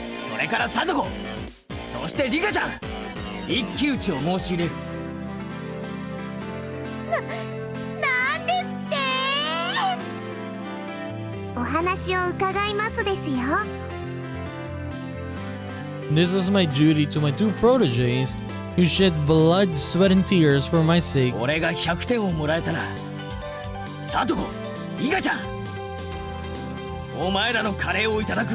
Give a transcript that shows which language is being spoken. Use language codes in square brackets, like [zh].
[ja] それからサドコ、そしてリカちゃん、一騎打ちを申し入れる。なんですって。お話を伺いますですよ。 [en] This was my duty to my two protégés. You shed blood, sweat, and tears for my sake. [ja] 俺が100点をもらえたら、サトコ、イカちゃん、お前らのカレーをいただく。